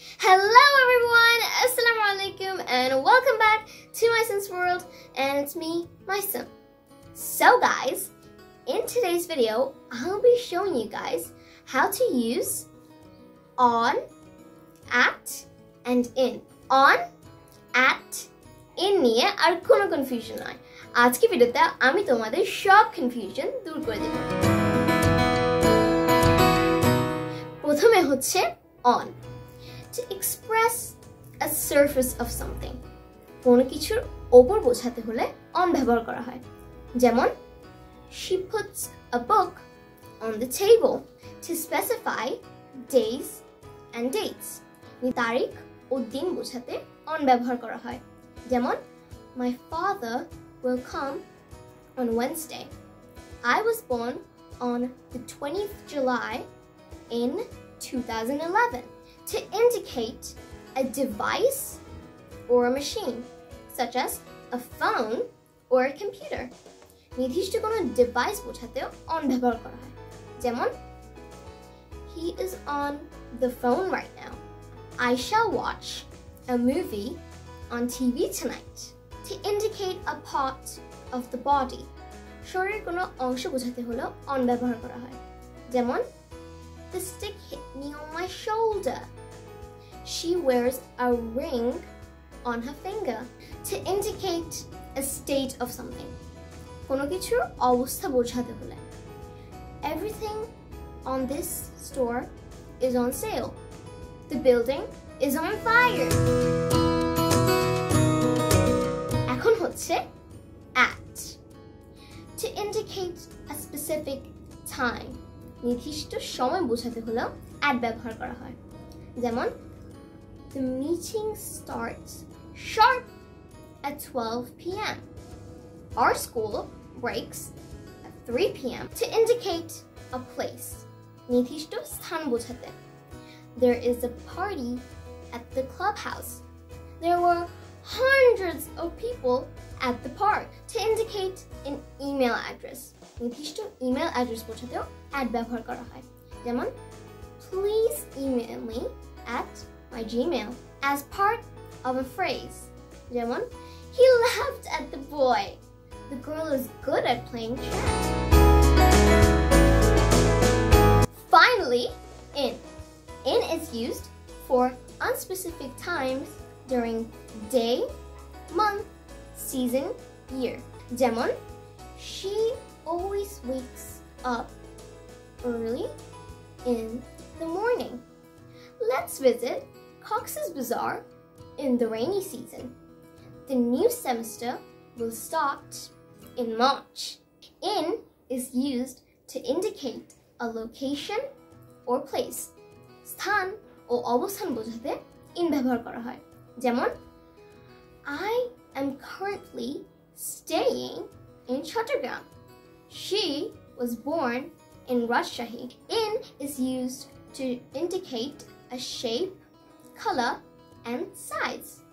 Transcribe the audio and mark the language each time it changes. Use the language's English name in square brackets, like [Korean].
[English] Hello everyone, assalamu alaikum and welcome back to Maisun's world, and it's me, Maisun. So guys, in today's video, I'll be showing you guys how to use on, at, and in. [Bangla] On, at, in নিয়ে আর কোনো confusion নাই. আজকে ভিডিওতে আমি তোমাদের সব confusion দূর করে দেব. প্রথমে হচ্ছে on. To express a surface of something. কোনো কিছুর উপর বোঝাতে হলে on ব্যবহার করা হয়. যেমন [English] she puts a book on the table to specify days and dates. [Bangla] তারিখ ও দিন বোঝাতে on ব্যবহার করা হয়. যেমন [English] my father will come on Wednesday. I was born on the 20th July in 2011. To indicate a device or a machine, such as a phone or a computer. [Bangla] নির্দিষ্ট কোনো device বোঝাতে on ব্যবহার করা হয়. যেমন [English] he is on the phone right now. I shall watch a movie on TV tonight. To indicate a part of the body. [Bangla] শরীরের কোনো অংশ বোঝাতে হলে on ব্যবহার করা হয়. যেমন [English] the stick hit me on my shoulder. She wears a ring on her finger. To indicate a state of something. [Bangla] কোনো কিছুর অবস্থা বোঝাতে হলে. [English] Everything on this store is on sale. The building is on fire. [Bangla] এখন হচ্ছে [English] at. To indicate a specific time. [Bangla] নির্দিষ্ট সময় বোঝাতে হলে at ব্যবহার করা হয়. যেমন [English] the meeting starts sharp at 12 p.m. Our school breaks at 3 p.m. To indicate a place. [Bangla] নির্দিষ্ট স্থান বোঝাতে. [English] There is a party at the clubhouse. There were hundreds of people at the park. To indicate an email address. [Bangla] নির্দিষ্ট email address বোঝাতে at ব্যবহার করা হয়. যেমন [English] please email me at my Gmail as part of a phrase. [Bangla] যেমন [English] he laughed at the boy. The girl is good at playing chess. Finally, in. In is used for unspecific times during day, month, season, year. [Bangla] যেমন [English] she always wakes up early in the morning. Let's visit Cox's Bazaar in the rainy season. The new semester will start in March. In is used to indicate a location or place. [Bangla] স্থান ও অবস্থান বোঝাতে in ব্যবহার করা হয়. যেমন [English] I am currently staying in Chattogram. She was born in Rajshahi. In is used to indicate a shape, color and size.